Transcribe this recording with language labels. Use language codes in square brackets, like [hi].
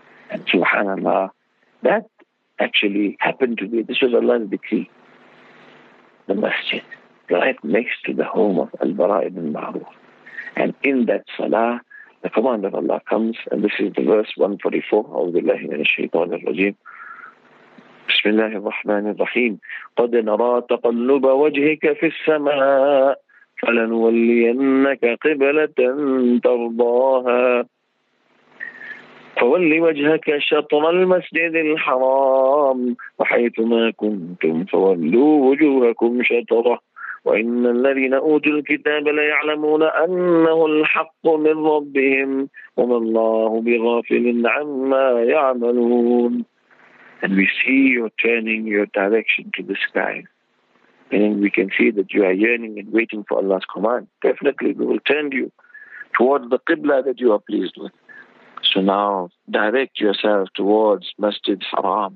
[en] And subhanAllah, that actually happened to be, this was Allah's decree, the masjid, right next to the home of Al-Bara ibn Ma'rur. And in that Salah, the command of Allah comes, and this is the verse 144, [ar] أعوذ بالله من الشيطان الرجيم. بسم الله الرحمن الرحيم قد نرى تقلب وجهك في السماء فلنولينك قبلة ترضاها فولي وجهك شطر المسجد الحرام وحيثما كنتم فولوا وجوهكم شطرة وإن الذين أوتوا الكتاب ليعلمون أنه الحق من ربهم وما الله بغافل عما يعملون. [en] And we see you're turning your direction to the sky. And we can see that you are yearning and waiting for Allah's command. Definitely we will turn you towards the Qibla that you are pleased with. So now direct yourself towards Masjid Haram.